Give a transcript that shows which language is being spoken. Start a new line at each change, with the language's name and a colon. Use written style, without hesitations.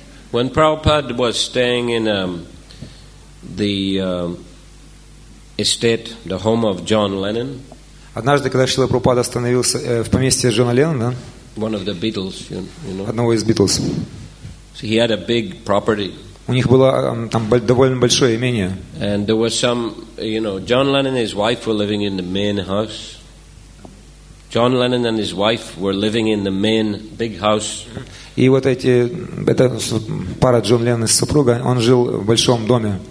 English: When Prabhupada was staying in estate, the home of John Lennon.
Russian: Однажды, когда Шрила Прабхупада остановился в поместье Джона Леннона,
English: one of the Beatles, you know.
Russian: Одного из Beatles.
English: So he had a big property.
Russian: У них было там довольно большое имение.
English: And there was some, you know, John Lennon and his wife were living in the main house. John Lennon and his wife were living in the main big house.
Russian: И вот эта пара Джон Леннон и супруга, он жил в большом доме.